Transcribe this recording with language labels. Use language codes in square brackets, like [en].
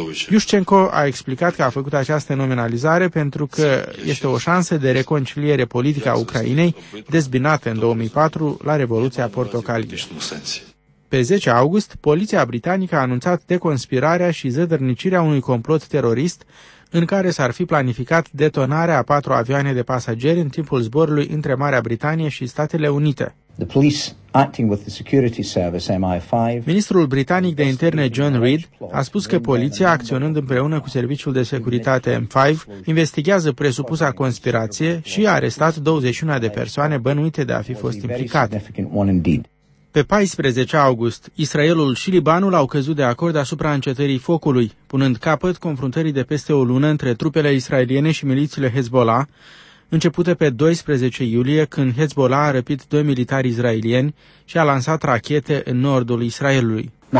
[ro] Iușcenko a explicat că a făcut această nominalizare pentru că este o șansă de reconciliere politică a Ucrainei, dezbinată în 2004 la Revoluția Portocalii. Pe 10 august, poliția britanică a anunțat deconspirarea și zădărnicirea unui complot terorist în care s-ar fi planificat detonarea a 4 avioane de pasageri în timpul zborului între Marea Britanie și Statele Unite. [en] The police acting with the security service MI5. [ro] Ministrul britanic de interne John Reid a spus că poliția, acționând împreună cu serviciul de securitate MI5, investigează presupusa conspirație și a arestat 21 de persoane bănuite de a fi fost implicate. Pe 14 august, Israelul și Libanul au căzut de acord asupra încetării focului, punând capăt confruntării de peste o lună între trupele israeliene și milițiile Hezbollah, începute pe 12 iulie, când Hezbollah a răpit 2 militari israelieni și a lansat rachete în nordul Israelului.